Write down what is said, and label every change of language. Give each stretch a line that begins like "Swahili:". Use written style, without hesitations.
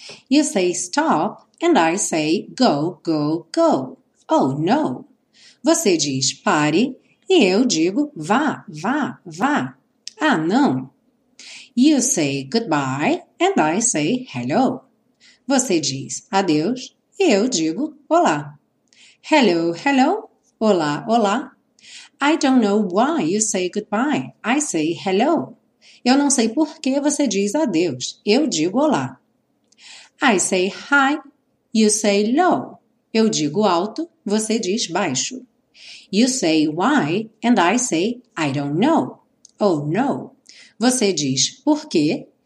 English: You say stop, and I say go, go, go. Oh, no.
Portuguese: Você diz pare, e eu digo vá, vá, vá. Ah, não.
English: You say goodbye, and I say hello.
Portuguese: Você diz adeus, e eu digo olá.
English: Hello, hello.
Portuguese: Olá, olá.
English: I don't know why you say goodbye. I say hello.
Portuguese: Eu não sei por que você diz adeus. Eu digo olá.
English: I say hi. You say no.
Portuguese: Eu digo alto. Você diz baixo.
English: You say why. And I say I don't know. Oh, no.
Portuguese: Você diz por quê.